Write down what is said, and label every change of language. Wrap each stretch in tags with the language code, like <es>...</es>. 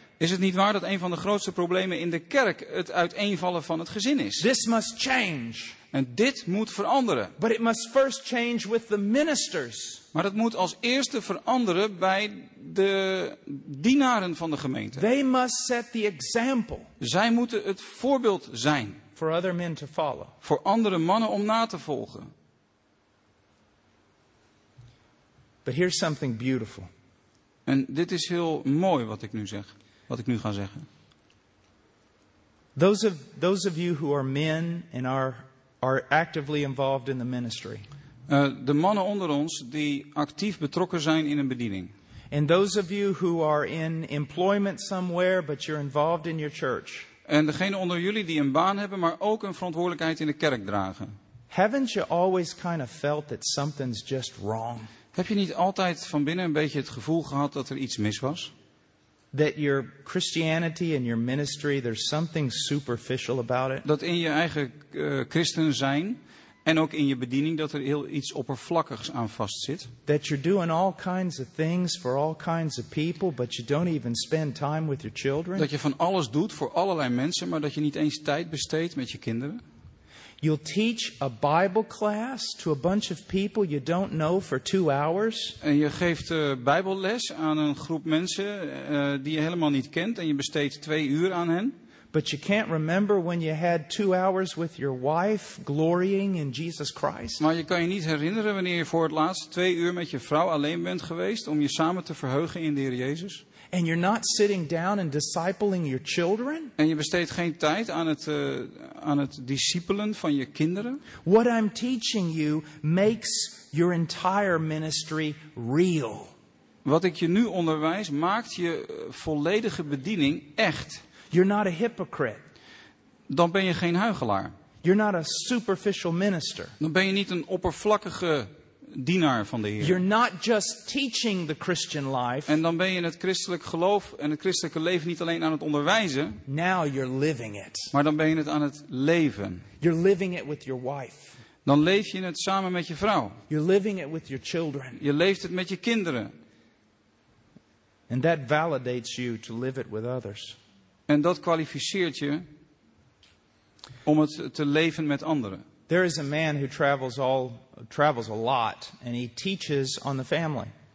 <nl>Is het niet waar dat een van de grootste problemen in de kerk het uiteenvallen van het gezin is?</nl> <en>This must change.</en> <nl>En dit moet veranderen.</nl> <en>But it must first change with the ministers.</en> <nl>Maar het moet als eerste veranderen bij de dienaren van de gemeente.</nl> <en>They must set the example.</en> <nl>Zij moeten het voorbeeld zijn.</nl> <en>For other men to follow.</en> <nl>Voor andere mannen om na te volgen.</nl> <en>But here's something beautiful.</en> <nl>En dit is heel mooi wat ik nu zeg. Wat ik nu ga zeggen.</nl> <en>Those of you who are men and are actively involved in the ministry.</en> <nl>De mannen onder ons die actief betrokken zijn in een bediening.</nl> <en>And those of you who are in employment somewhere but you're involved in your church.</en> <nl>En degene onder jullie die een baan hebben maar ook een verantwoordelijkheid in de kerk dragen.</nl> <en>Haven't you always kind of felt that something's just wrong?</en> <nl>Heb je niet altijd van binnen een beetje het gevoel gehad dat er iets mis was?</nl> <en>That your Christianity and your ministry, there's something superficial about it.</en> <nl>Dat in je eigen christen zijn en ook in je bediening dat er heel iets oppervlakkigs aan vastzit.</nl> <en>That you're doing all kinds of things for all kinds of people, but you don't even spend time with your children.</en> <nl>Dat je van alles doet voor allerlei mensen, maar dat je niet eens tijd besteedt met je kinderen.</nl> <en>You'll teach a Bible class to a bunch of people you don't know for 2 hours.</en> <nl>En je geeft Bijbelles aan een groep mensen die je helemaal niet kent en je besteedt 2 uur aan hen.</nl> <en>But you can't remember when you had 2 hours with your wife glorying in Jesus Christ.</en> <nl>Maar je kan je niet herinneren wanneer je voor het laatst 2 uur met je vrouw alleen bent geweest om je samen te verheugen in de Heer Jezus.</nl> <en>And you're not sitting down and discipling your children?</en> <nl>En je besteedt geen tijd aan het discipelen van je kinderen?</nl> <en>What I'm teaching you makes your entire ministry real.</en> <nl>Wat ik je nu onderwijs maakt je volledige bediening echt.</nl> <en>You're not a hypocrite.</en> <nl>Dan ben je geen huichelaar.</nl> <en>You're not a superficial minister.</en> <nl>Dan ben je niet een oppervlakkige dienaar van de Heer.</nl> <en>You're not just teaching the Christian life.</en> <nl>En dan ben je het christelijk geloof en het christelijke leven niet alleen aan het onderwijzen.</nl> <en>Now you're living it.</en> <nl>Maar dan ben je het aan het leven.</nl> <en>You're living it with your wife.</en> <nl>Dan leef je het samen met je vrouw.</nl> <en>You're living it with your children.</en> <nl>Je leeft het met je kinderen.</nl> <en>And that validates you to live it with others.</en> <nl>En dat kwalificeert je om het te leven met anderen.</nl> <en>There is a man who travels a lot and he teaches on the family.</en>